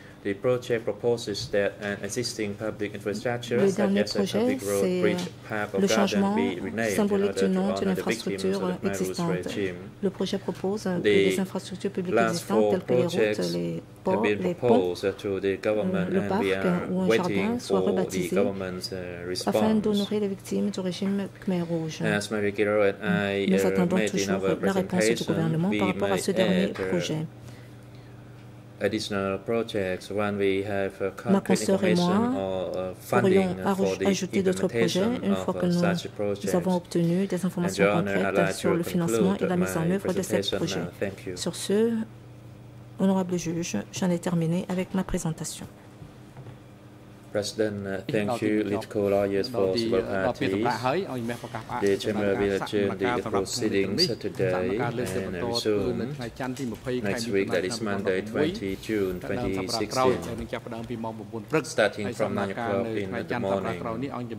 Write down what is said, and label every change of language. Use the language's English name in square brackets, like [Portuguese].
[English] The project proposes that an existing public infrastructure, such as a public road, bridge, park, or garden, be renamed in order to honor the victims of the existing regime. [French] Le projet propose que les infrastructures publiques existantes, telles que les routes, les ports, les ponts, le parc ou un jardin, soient rebaptisés afin d'honorer les victimes du régime Khmer Rouge. Nous attendons toujours la réponse du gouvernement par rapport à ce dernier projet. [English] additional projects, when we have [French] ma consœur et moi pourrions ajouter d'autres projets une fois que nous avons obtenu des informations concrètes sur le financement et la mise en œuvre de ces projets. Sur ce, honorable juge, j'en ai terminé avec ma présentation. [English] President, thank you, Litco lawyers for civil parties. The chamber will adjourn the proceedings today and resume next week, that is Monday, 20 June 2016, starting from 9 o'clock in the morning.